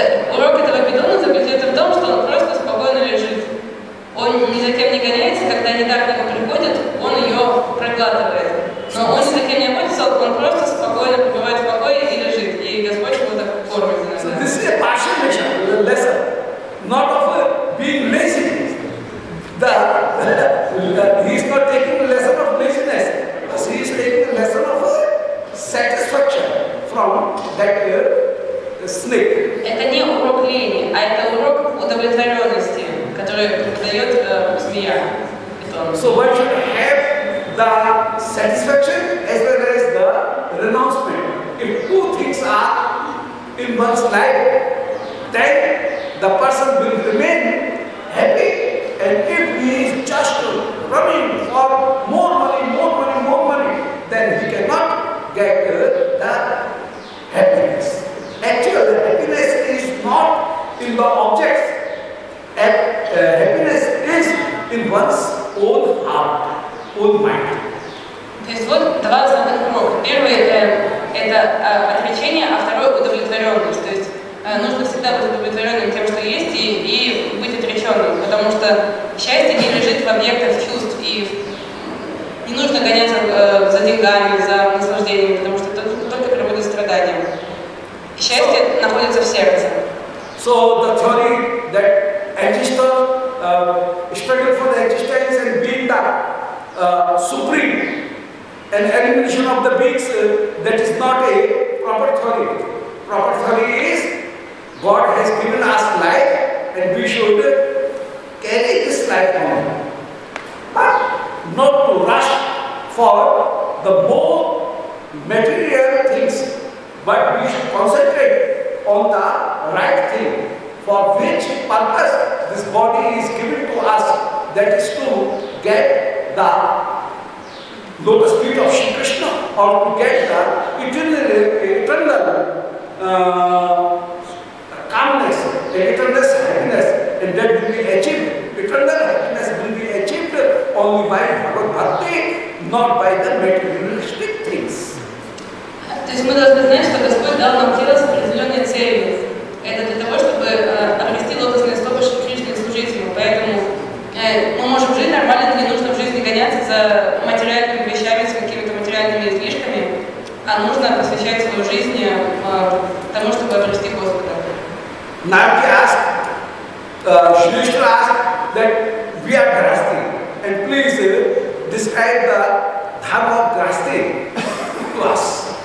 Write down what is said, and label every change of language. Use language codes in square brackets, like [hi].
[ru] Урок этого бедона заключается в том, что он просто спокойно лежит. Он ни за кем не гоняется, когда они так к нему приходят, он ее проглатывает. Но он ни за кем не охотится, он просто спокойно пребывает в покое и лежит. И Господь его так кормит. [en] So this is a partial mission, the lesson. Not of being lazy. He is not taking the lesson of laziness, but he is taking the lesson of satisfaction from that desire, the snake. [ru] Это не урок лени, а это урок удовлетворенности, который дает змея. [en] So one should have the satisfaction as well as the renouncement. If two things are in one's life, then the person will remain happy. And if he is just running for more money, more money, more money, then he cannot get the happiness. Actually, happiness is not in the objects. Happiness is in one's own heart, own mind. [ru] То есть вот два основных урока. Первый это отречение, а второй удовлетворенность. То есть нужно всегда быть удовлетворенным тем, что есть, и быть отреченным, потому что счастье не лежит в объектах чувств, и не нужно гоняться за деньгами, за наслаждением, потому что это только приводит к страданиям. Счастье находится в сердце. [en] So the theory that existence, struggle for the existence and being the supreme and elimination of the beings, that is not a proper theory. Proper theory is God has given us life and we should carry this life on. But not to rush for the more material things, but we should concentrate on the right thing for which purpose this body is given to us, that is to get the lotus feet of Shri Krishna or to get the eternal calmness, eternal happiness, and that will be achieved. Eternal happiness will be achieved only by Bhagavad Bhakti, not by the materialistic things. [ru] То есть мы должны знать, что Господь дал нам тело с определенной целью. Это для того, чтобы обрести лотосные стопы Шри Кришны служителю. Поэтому мы можем жить нормально, не нужно в жизни гоняться за материальными вещами, с какими-то материальными излишками, а нужно посвящать свою жизнь тому, чтобы обрести Господа. [en] Нарки asked, Shri Krishna asked that we are grasti, and please describe the dharma of grasti to us.